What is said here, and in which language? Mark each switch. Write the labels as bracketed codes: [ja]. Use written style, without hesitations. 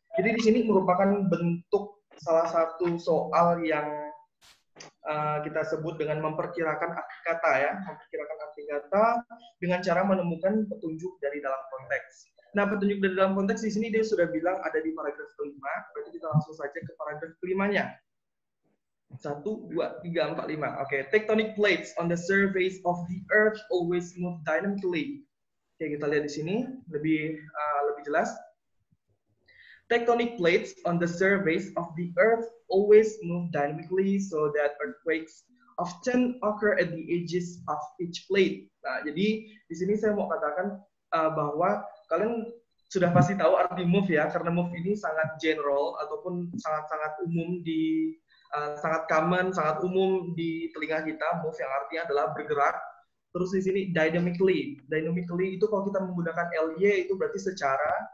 [id] Jadi di sini merupakan bentuk salah satu soal yang kita sebut dengan memperkirakan arti kata ya, memperkirakan arti kata dengan cara menemukan petunjuk dari dalam konteks. Nah, petunjuk dari dalam konteks di sini dia sudah bilang ada di paragraf kelima, berarti kita langsung saja ke paragraf kelimanya. 1, 2, 3, 4, 5. Oke, okay. [en] Tectonic plates on the surface of the earth always move dynamically. [id] Oke, okay, kita lihat di sini lebih lebih jelas. [en] Tectonic plates on the surface of the earth always move dynamically so that earthquakes often occur at the edges of each plate. [id] Nah, jadi di sini saya mau katakan bahwa kalian sudah pasti tahu arti move ya, karena move ini sangat general ataupun sangat-sangat umum di sangat common, sangat umum di telinga kita, move yang artinya adalah bergerak. Terus di sini dynamically. Dynamically itu kalau kita menggunakan ly itu berarti secara.